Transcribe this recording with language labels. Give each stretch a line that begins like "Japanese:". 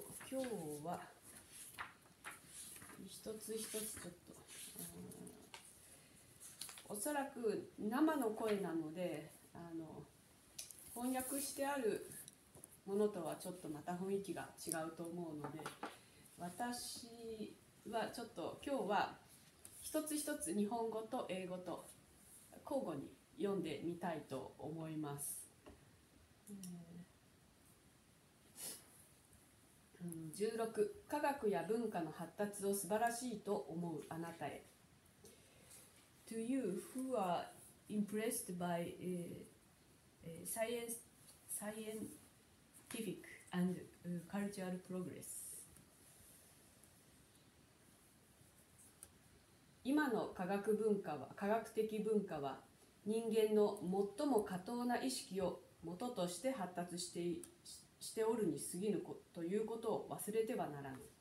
Japanese: 今日は一つ一つちょっと、おそらく生の声なので、翻訳してあるものとはちょっとまた雰囲気が違うと思うので、私はちょっと今日は一つ一つ日本語と英語と交互に読んでみたいと思います。 16、科学や文化の発達を素晴らしいと思うあなたへ。
English: To you who are impressed by scientific and cultural progress.
Japanese: 今の科学文化は、科学的文化は人間の最も過当な意識を元として発達して、しておるに過ぎぬということを忘れてはならぬ。